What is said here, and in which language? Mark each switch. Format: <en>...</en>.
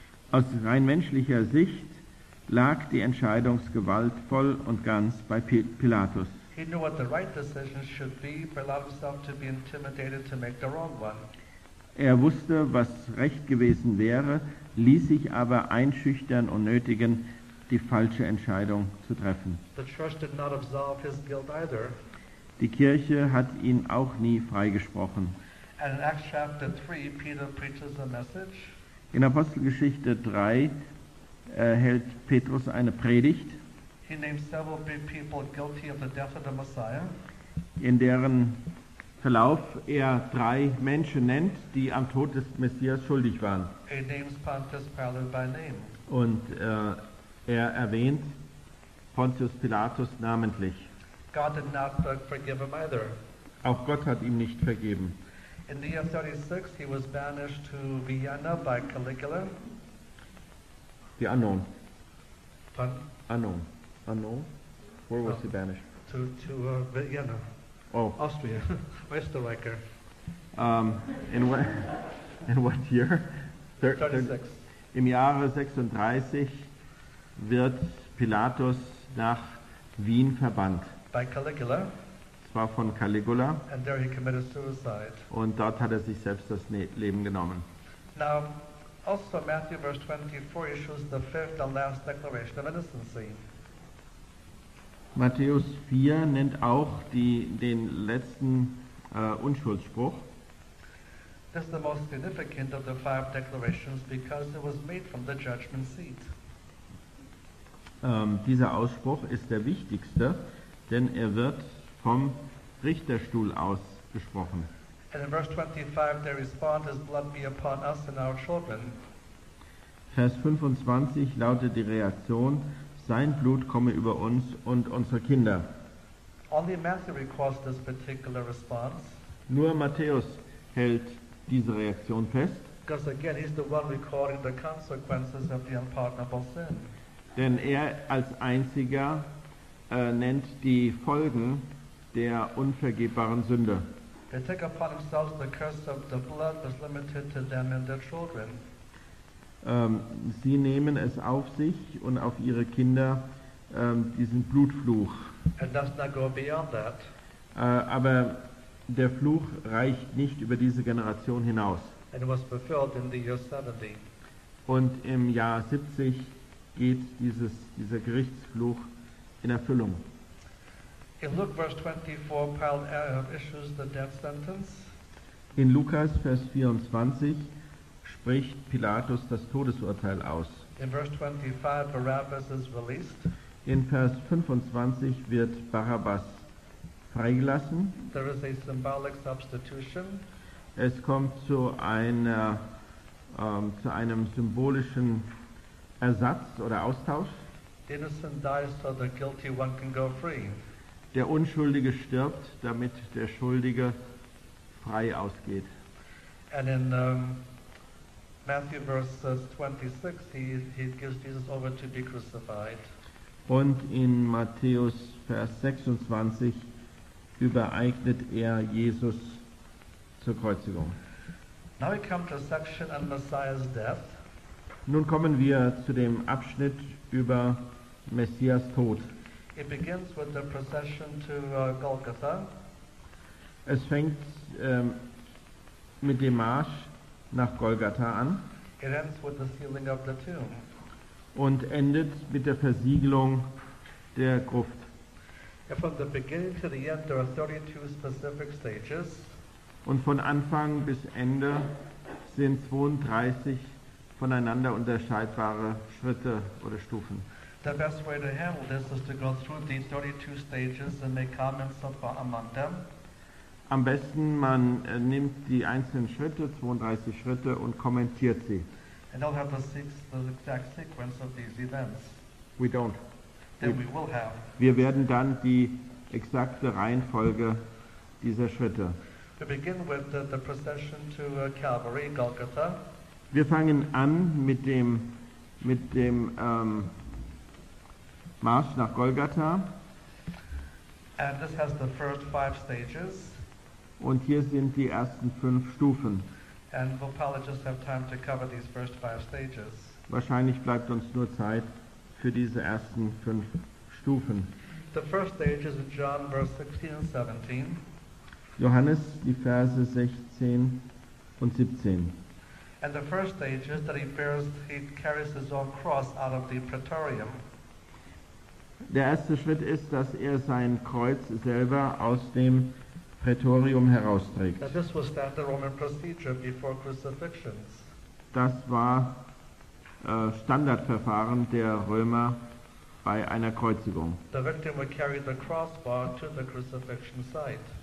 <de>Aus rein menschlicher Sicht lag die Entscheidungsgewalt voll und ganz bei Pilatus. Er wusste, was recht gewesen wäre, ließ sich aber einschüchtern und nötigen, die falsche Entscheidung zu treffen.</de> <en>The church did not absolve his guilt either.</en> <de>Die Kirche hat ihn auch nie freigesprochen.</de> <en>And in Acts chapter 3, Peter preaches a message.</en> <de>In Apostelgeschichte 3 hält Petrus eine Predigt,</de> <en>he named several big people guilty of the death of the Messiah.</en> <de>In deren Verlauf er drei Menschen nennt, die am Tod des Messias schuldig waren.</de> <en>He names Pontius Pilate by name.</en> <de>Und er erwähnt Pontius Pilatus namentlich.</de> <en>God did not forgive him either.</en> <de>Auch Gott hat ihm nicht vergeben.</de> <en>In the year 36 he was banished to Vienna by Caligula. The unknown. Pardon? Unknown. Unknown? Where was he banished? To Vienna. Oh. Austria. Österreicher. In what year? 36.</en> <de>Im Jahre 36 wird Pilatus nach Wien verbannt.</de> <en>By Caligula.</en> <de>war von Caligula.</de> <en>And there he committed suicide.</en> <de>Und dort hat er sich selbst das Leben genommen.</de> <en>Now, also Matthew verse 24 issues the fifth and last declaration of innocency.</en> <de>Matthäus 4 nennt auch den letzten Unschuldsspruch.</de> <en>This is the most significant of the five declarations because it was made from the judgment seat.</en> <de>Dieser Ausspruch ist der wichtigste, denn er wird vom Richterstuhl ausgesprochen.</de> <en>And in verse 25 they respond, His blood be upon us and our children.</en> <de>Vers 25 lautet die Reaktion, Sein Blut komme über uns und unsere Kinder.</de> <en>Only Matthew records this particular response.</en> <de>Nur Matthäus hält diese Reaktion fest.</de> <en>Because again, he's the one recording the consequences of the unpardonable sin.</en> <de>Denn er als einziger nennt die Folgen der unvergebbaren Sünde.</de> <en>They take upon themselves the curse of the blood that's limited to them and their children.</en> <de>Sie nehmen es auf sich und auf ihre Kinder, diesen Blutfluch.</de> <en>It does not go beyond that.</en> <de>Aber der Fluch reicht nicht über diese Generation hinaus.</de> <en>And it was fulfilled in the year 70.</en> <de>Und im Jahr 70 geht dieser Gerichtsfluch in Erfüllung.</de> <en>In Luke verse 24, Pilate issues the death sentence.</en> <de>In Lukas Vers 24 spricht Pilatus das Todesurteil aus.</de> <en>In verse 25, Barabbas is released.</en> <de>In Vers 25 wird Barabbas freigelassen.</de> <en>There is a symbolic substitution.</en> <de>Es kommt zu einem symbolischen Ersatz oder Austausch.</de> <en>The innocent dies so the guilty one can go free.</en> <de>Der Unschuldige stirbt, damit der Schuldige frei ausgeht.</de> <en>And in Matthew verse 26, he gives Jesus over to be crucified.</en> <de>Und in Matthäus Vers 26 übereignet Jesus zur Kreuzigung.</de> <en>Now we come to a section on Messiah's death.</en> <de>Nun kommen wir zu dem Abschnitt über Messias Tod.</de> <en>It begins with the procession to Golgotha.</en> <de>Es fängt mit dem Marsch nach Golgatha an.</de> <en>It ends with the sealing of the tomb.</en> <de>Und endet mit der Versiegelung der Gruft.</de> <en>And from the beginning to the end, there are 32 specific stages.</en> <de>Und von Anfang bis Ende sind 32 voneinander unterscheidbare Schritte oder Stufen.</de> <en>The best way to handle this is to go through the 32 stages and make comments among them.</en> <de>Am besten, man nimmt die einzelnen Schritte, 32 Schritte, und kommentiert sie.</de> <en>And I'll have the exact sequence of these events. We don't. Then we will have.</en> <de>Wir werden dann die exakte Reihenfolge dieser Schritte.</de> <en>To begin with the procession to Calvary, Golgotha.</en> <de>Wir fangen an mit dem Marsch nach Golgatha.</de> <en>And this has the first five stages.</en> <de>Und hier sind die ersten fünf Stufen.</de> <en>And we'll probably just have time to cover these first five stages.</en> <de>Wahrscheinlich bleibt uns nur Zeit für diese ersten fünf Stufen.</de> <en>The first stage is in John verse 16 and 17.</en> <de>Johannes, die Verse 16 und 17.</de> <en>And the first stage is that he carries his own cross out of the praetorium.</en> <de>Der erste Schritt ist, dass sein Kreuz selber aus dem Praetorium herausträgt.</de> <en>Now this was standard Roman procedure before crucifixions.</en> <de>Das war Standardverfahren der Römer bei einer Kreuzigung.</de> <en>The victim would carry the crossbar to the crucifixion site.</en>